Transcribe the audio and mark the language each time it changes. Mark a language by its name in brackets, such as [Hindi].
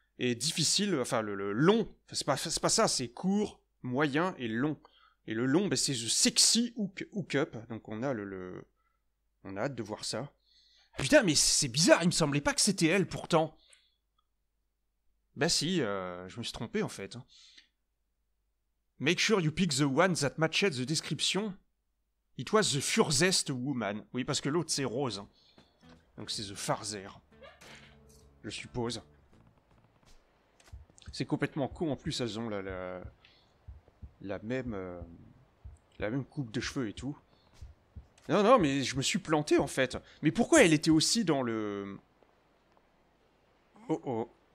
[French] Et difficile, enfin, le long, c'est pas ça, c'est court, moyen et long. Et le long, bah, c'est The Sexy Hookup. Donc on a on a hâte de voir ça. Putain, mais c'est bizarre, il me semblait pas que c'était elle, pourtant. Bah si, je me suis trompé en fait. [English] Make sure you pick the one that matches the description. It was the furthest woman. [French] Oui, parce que l'autre c'est rose. Donc c'est the farther. Je suppose. C'est complètement con, en plus elles ont la même coupe de cheveux et tout. Non, mais je me suis planté en fait. Mais pourquoi elle était aussi dans le... Oh oh.